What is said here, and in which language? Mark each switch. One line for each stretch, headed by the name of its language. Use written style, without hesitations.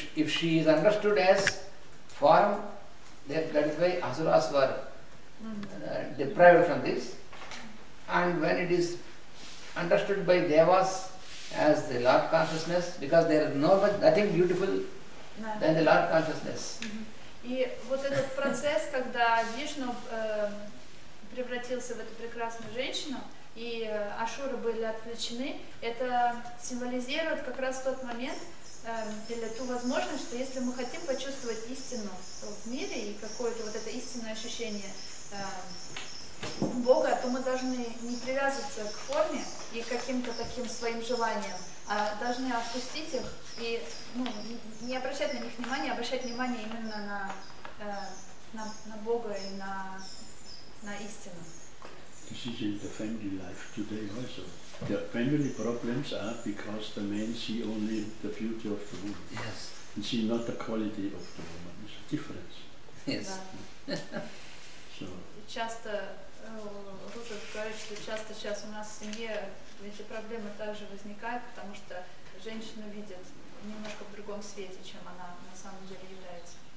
English: she is understood as form, that is why asuras were deprived from this, and when it is understood by devas as the Lord consciousness, because there is nothing beautiful than the Lord consciousness.
Russian: И вот этот процесс, когда Вишну превратился в эту прекрасную женщину, и асуры были отвлечены, это символизирует как раз тот момент или ту возможность, что если мы хотим почувствовать истину в мире и какое-то вот это истинное ощущение Бога, то мы должны не привязываться к форме и к каким-то таким своим желаниям, а должны отпустить их и не обращать на них внимания, а обращать внимание именно на Бога и на истину.
English: This is in the family life today also. The family problems are because the men see only the beauty of the woman. Yes. And see not the quality of the woman. It's a difference. Yes. So.
Russian: Часто Руджер говорит, что часто сейчас у нас в семье эти проблемы также возникают, потому что женщину видят немножко в другом свете, чем она на самом деле является.